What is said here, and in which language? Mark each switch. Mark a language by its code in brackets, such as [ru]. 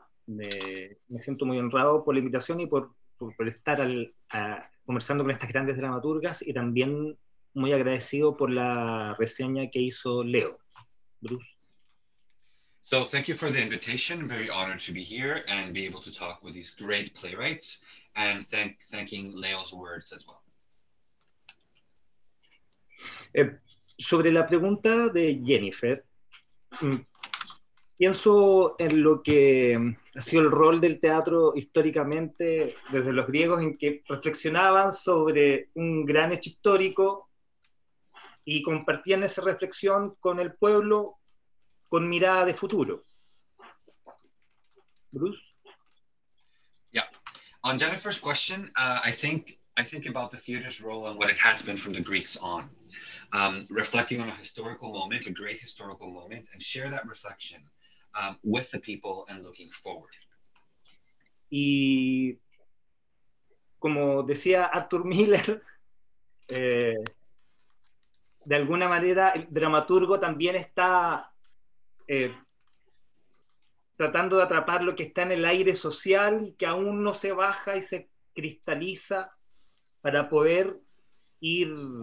[es] Me siento muy honrado por la invitación y por estar conversando con estas grandes dramaturgas, y también muy agradecido por la reseña que hizo Leo. [en] Bruce. So thank you for the invitation. I'm very honored to be here and be able to talk with these great playwrights, and thanking Leo's words as well. [es] Sobre la pregunta de Jennifer, pienso en lo que ha sido el rol del teatro históricamente desde los griegos, en que reflexionaban sobre un gran hecho histórico y compartían esa reflexión con el pueblo con mirada de futuro. [en] Bruce? Yeah. On Jennifer's question, I think about the theater's role and what it has been from the Greeks on. Reflecting on a historical moment, a great historical moment, and share that reflection with the people and looking forward. [es] Y como decía Arthur Miller, de alguna manera el dramaturgo también está tratando de atrapar lo que está en el aire social, que aún no se baja y se cristaliza, para poder ir